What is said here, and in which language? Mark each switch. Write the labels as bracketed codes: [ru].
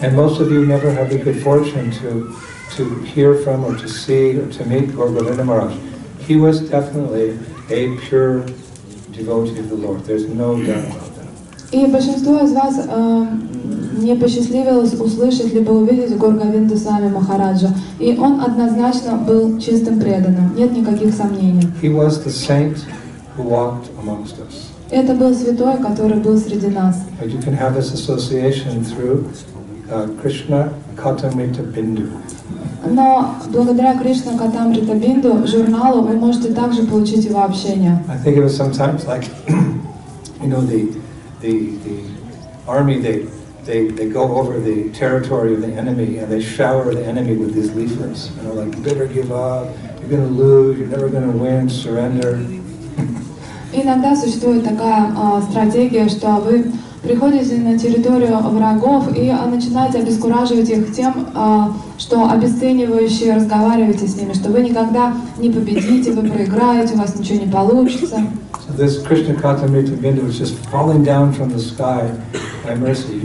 [en] And most of you never have the good fortune to hear from or to see or to meet Govardhan Maharaj. He was definitely a pure devotee of the Lord. There's no doubt about that. [ru] И большинство из вас не посчастливилось услышать либо увидеть Говардхан Свами Махараджа, и он однозначно был чистым преданным. Нет никаких сомнений. [en] He was the saint who walked amongst us. [ru] Это был святой, который был среди нас. [en] But you can have this association through Krishna Katamrita Bindu. [ru] Но благодаря Кришна Катамрита Бинду журналу вы можете также получить его общение. [en] I think it was sometimes like, you know, the army, they go over the territory of the enemy and they shower the enemy with these leaflets. You know, like, you better give up, you're going to lose, you're never going to win, surrender. [ru] Иногда существует такая стратегия, что вы приходите на территорию врагов и начинаете обескураживать их тем, что обесценивающе разговариваете с ними, что вы никогда не победите, вы проиграете, у вас ничего не получится. [en] So this Krishna Katamrita Bindu is just falling down from the sky by mercy.